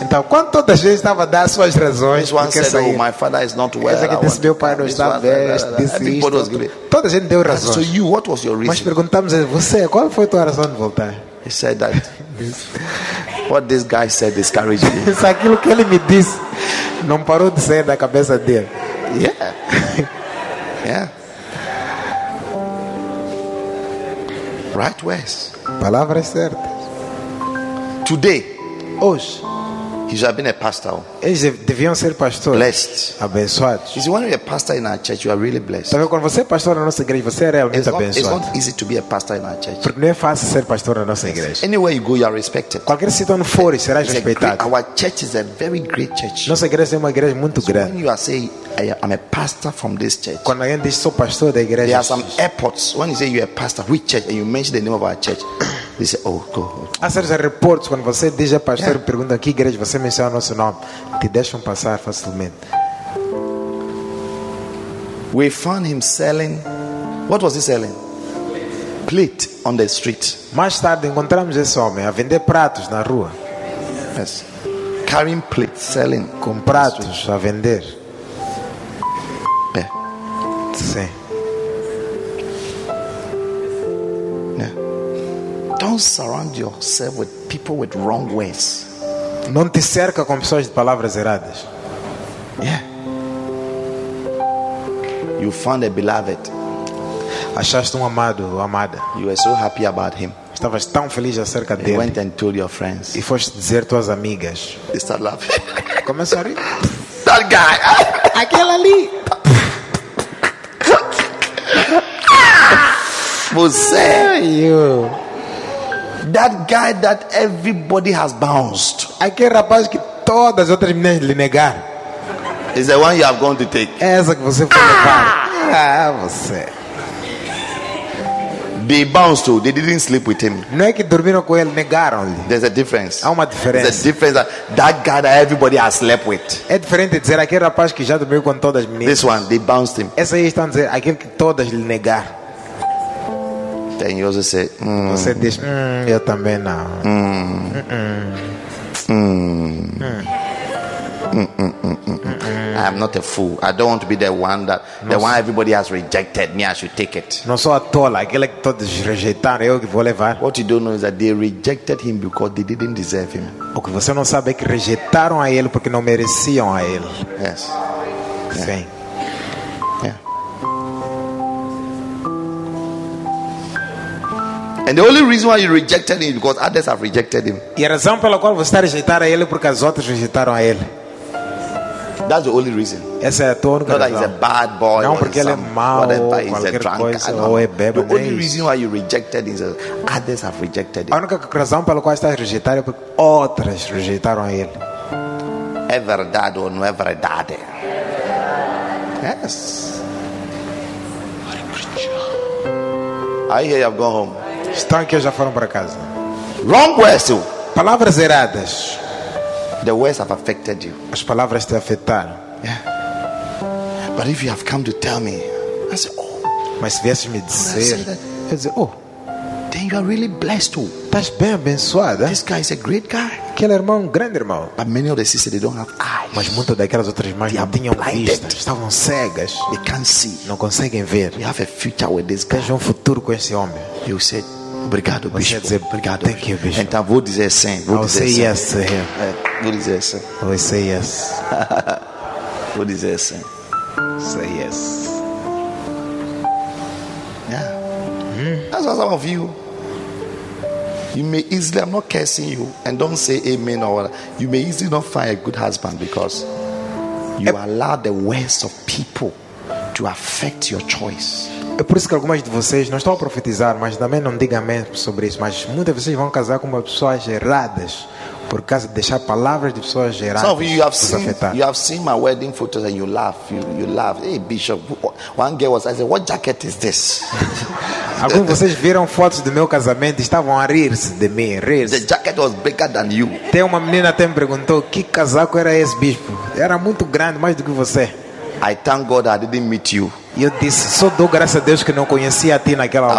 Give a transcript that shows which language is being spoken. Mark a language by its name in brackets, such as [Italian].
[Portuguese] então quando toda a gente estava dando suas razões, [English] this one said, [Portuguese] sair, [English] "Oh, my father is not well." [Portuguese] Esse aqui disse, "Meu pai não está bem." Toda a gente deu razões. [English] So you, what was your reason? [Portuguese] Mas perguntamos a você, qual foi a tua razão de voltar? [English] He said that what this guy said discouraged me. [Portuguese] Isso aquilo que ele me disse não parou de sair da cabeça dele. [English] Yeah. Yeah. Right words. [Portuguese] Palavras certas. [English] Today, [Portuguese] hoje, [English] he should have been a pastor. [Portuguese] Eles deviam ser pastores. [English] Blessed, [Portuguese] abençoados. [English] Is one of a pastor in our church? You are really blessed. [Portuguese] Sabe, quando você é pastor na nossa igreja, você é realmente [English] it's not, [Portuguese] abençoado. [English] It's not easy to be a pastor in our church. [Portuguese] Porque não é fácil ser pastor na nossa igreja. [English] Anywhere you go, you are respected. [Portuguese] Qualquer sítio onde for, será respeitado. [English] Our church is a very great church. [Portuguese] Nossa igreja é uma igreja muito [English] so [Portuguese] grande. [English] When you are saying, "I'm a pastor from this church," [Portuguese] quando alguém diz, "Sou pastor da igreja," [English] there are some airports. When you say you are a pastor, which church, and you mention the name of our church. They say, "Oh, go." [Portuguese] Há certos aeroportos quando você diz a pastor, yeah, pergunta que igreja você menciona o nosso nome, te deixam passar facilmente. [English] We found him selling. What was he selling? Plate on the street. [Portuguese] Mais tarde encontramos esse homem a vender pratos na rua. [English] Yes. Carrying plates, selling. [Portuguese] Com pratos a vender. É. Sim. [English] Don't surround yourself with people with wrong ways. [Portuguese] Não te cerca com pessoas de palavras erradas. [English] Yeah. You found a beloved. [Portuguese] Achaste amado ou amada. [English] You were so happy about him. [Portuguese] Estavas tão feliz acerca dele. [English] You went and told your friends. [Portuguese] E foste dizer tuas amigas. [English] They start laughing. [Portuguese] Começa a rir. [English] That guy. [Portuguese] Aquele ali. Você. [English] You. That guy that everybody has bounced. [Portuguese] Aquele rapaz que todas as outras meninas lhe negaram. [English] Is the one you have gone to take. [Portuguese] É essa que você foi levar. Ah, você. [English] They bounced too. They didn't sleep with him. [Portuguese] Não é que dormiram com ele, negaram-lhe. [English] There's a difference. [Portuguese] Há uma diferença. [English] There's a difference that guy that everybody has slept with. [Portuguese] É diferente dizer aquele rapaz que já dormiu com todas as meninas. [English] This one, they bounced him. [Portuguese] Essa aí estão dizendo aquele que todas lhe negaram. [English] And you also say, [Portuguese] você diz, eu também não. [English] I am not a fool. I don't want to be the one that one everybody has rejected. Me, I should take it. [Portuguese] Não sou a tola. Aquele que todos rejeitaram, eu que vou levar. [English] What you don't know is that they rejected him because they didn't deserve him. [Portuguese] O que você não sabe é que rejeitaram a ele porque não mereciam a ele. [English] Yes. Yeah. [Portuguese] Sim. [English] And the only reason why you rejected him is because others have rejected him. [Portuguese] E a razão pela qual você está a rejeitar a ele é porque as outras rejeitaram a ele. [English] That's the only reason. [Portuguese] Essa é a tua única [English] Not [Portuguese] razão. [English] That he's a bad boy. [Portuguese] Não [English] or [Portuguese] porque ele é mau, qualquer coisa, ou é bêbado. [English] The only reason why you rejected him is others have rejected him. [Portuguese] A única razão pela qual está a rejeitar é porque outras rejeitaram a ele. É verdade ou não é verdade? [English] Yes. [Portuguese] Aí eu vou [English] home. [Portuguese] Estão aqui, já foram para casa. [English] Wrong words. [Portuguese] Palavras erradas. [English] The words have affected you. [Portuguese] As palavras te afetaram. [English] Yeah. But if you have come to tell me, I said, oh. [Portuguese] Mas se viesses me dizer, eu dizer, oh, [English] then you are really blessed too. [Portuguese] Estás bem abençoada. [English] This guy is a great guy. [Portuguese] Aquele irmão, um grande irmão. [English] But many of the sisters, they don't have eyes. [Portuguese] Mas muitas daquelas outras irmãs não tinham vista. Estavam cegas. [English] They can't see. [Portuguese] Não conseguem ver. [English] You have a future with this guy. [Portuguese] Tens um futuro com esse homem. [English] You said, [Portuguese] obrigado, você bispo. Dizer, obrigado. [English] Thank you, [Portuguese] bispo. Então vou dizer sim. [English] I'll [Portuguese] dizer [English] say yes to him. [Portuguese] Vou dizer sim. [English] I'll say yes. [Portuguese] Vou dizer sim. [English] Say yes. Yeah. Mm. That's what some of you. You may easily, I'm not cursing you, and don't say amen or whatever. You may easily not find a good husband because you allow the words of people to affect your choice. [Portuguese] É por isso que algumas de vocês, não estou a profetizar, mas também não diga amém sobre isso, mas muitas de vocês vão casar com pessoas erradas por causa de deixar palavras de pessoas erradas. [English] Some of you have seen, you have seen my wedding photos and you laugh, you laugh. Hey bishop, one girl was, I said, what jacket is this? [Portuguese] Alguns de vocês viram fotos do meu casamento e estavam a rir-se de mim, rir-se. [English] The jacket was bigger than you. [Portuguese] Tem uma menina até me perguntou que casaco era esse bispo. Era muito grande, mais do que você. [English] I thank God I didn't meet you. [Portuguese] Eu disse, só dou graças a Deus que não conhecia a ti naquela altura.